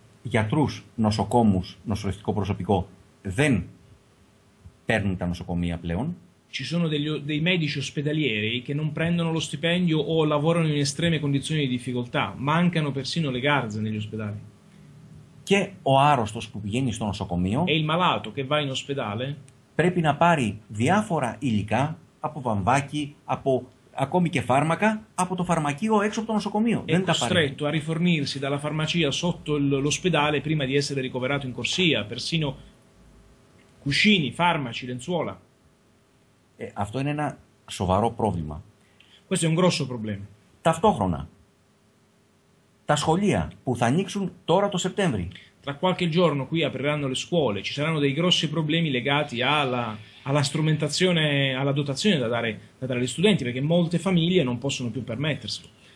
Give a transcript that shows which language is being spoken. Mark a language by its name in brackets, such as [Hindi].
[Greek] Γιατρούς, νοσοκόμους, νοσηλευτικό προσωπικό δεν παίρνουν τα νοσοκομεία πλέον. [Italian] Ci sono dei medici ospedalieri che non prendono lo stipendio o lavorano in estreme condizioni di difficoltà. Mancano persino le garze negli ospedali. [Greek] Και ο άρρωστος που πηγαίνει στο νοσοκομείο [Italian] e il malato che va in ospedale [Greek] πρέπει να πάρει διάφορα υλικά από βαμβάκι, από ακόμη και φάρμακα, από το φαρμακείο έξω από το νοσοκομείο. [Italian] È costretto a rifornirsi dalla farmacia sotto l'ospedale prima di essere ricoverato in corsia, persino cuscini, farmaci, lenzuola. [Greek] Αυτό είναι ένα σοβαρό πρόβλημα. [Italian] Questo è un grosso problema. [Greek] Ταυτόχρονα, τα σχολεία που θα ανοίξουν τώρα το Σεπτέμβρη. [Italian] Tra qualche giorno qui apriranno le scuole, ci saranno dei grossi problemi legati alla strumentazione, alla dotazione da dare agli studenti, perché molte famiglie non possono più permetterselo.